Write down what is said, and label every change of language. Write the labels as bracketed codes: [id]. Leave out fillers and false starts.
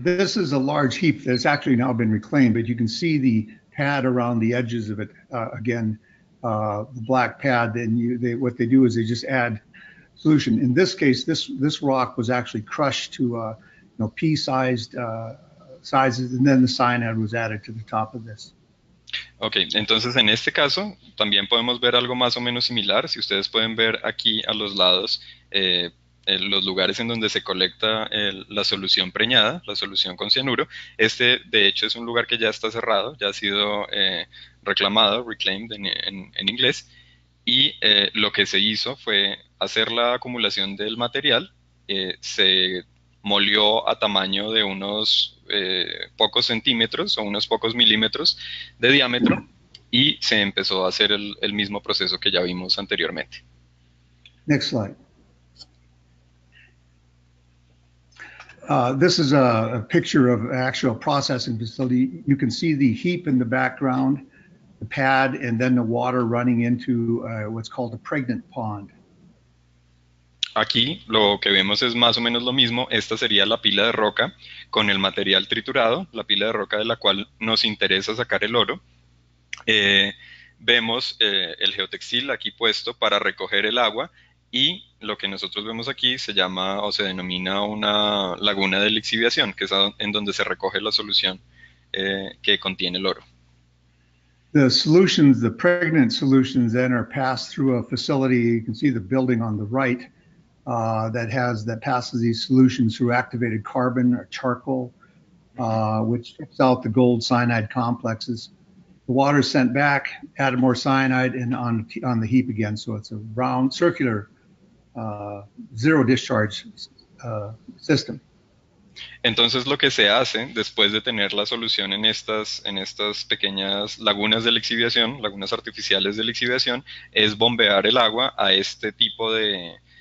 [en] This is a large heap that's actually now been reclaimed, but you can see the pad around the edges of it, the black pad. Then what they do is they just add solution. In this case, this rock was actually crushed to pea-sized sizes, and then the cyanide was added to the top of this. [es] Ok, entonces en este caso también podemos ver algo más o menos similar. Si ustedes pueden ver aquí a los lados los lugares en donde se colecta la solución preñada, la solución con cianuro. Este de hecho es un lugar que ya está cerrado, ya ha sido reclamado, reclaimed en inglés. Y lo que se hizo fue hacer la acumulación del material, se molió a tamaño de unos pocos centímetros o unos pocos milímetros de diámetro y se empezó a hacer el mismo proceso que ya vimos anteriormente. [en] Next slide. This is a picture of an actual processing facility. You can see the heap in the background, the pad, and then the water running into what's called a pregnant pond. [es] Aquí lo que vemos es más o menos lo mismo. Esta sería la pila de roca con el material triturado, la pila de roca de la cual nos interesa sacar el oro. Vemos el geotextil aquí puesto para recoger el agua y lo que nosotros vemos aquí se llama o se denomina una laguna de lixiviación, que es en donde se recoge la solución que contiene el oro. [en] The solutions, the pregnant solutions then are passed through a facility. You can see the building on the right. That passes these solutions through activated carbon or charcoal, which strips out the gold cyanide complexes. The water is sent back, added more cyanide, and on the heap again. So it's a round, circular, zero discharge system. [es] Entonces, lo que se hace después de tener la solución en estas pequeñas lagunas de lixiviación, lagunas artificiales de lixiviación, es bombear el agua a este tipo de